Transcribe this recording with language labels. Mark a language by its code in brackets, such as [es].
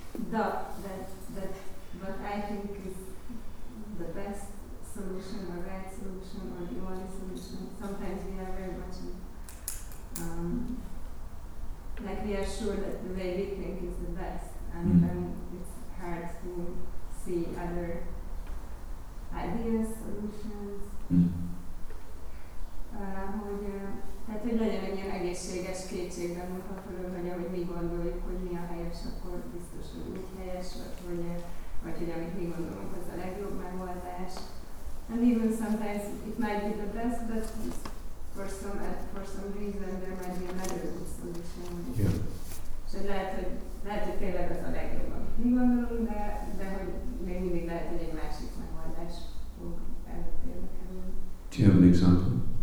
[en] that what I think is the best solution or right solution or the only solution. Sometimes we are very much like we are sure that the way we think is the best, and then it's hard to see other ideas, solutions. [hu] Hogy, tehát hogy legyen egy ilyen egészséges kétségben mutatkozó, hogy amit mi gondoljuk, hogy mi a helyes, akkor biztos, hogy úgy helyes, vagy hogy amit mi gondolunk, az a legjobb megoldás. [en] And even sometimes it might be the best, but for some reason there might be another good solution. Yeah. [hu] És lehet, hogy tényleg az a legjobb, amit mi gondolunk, de hogy még mindig lehet, hogy egy másik megoldás fog előttérbe kerülni. [en] Do you have an example?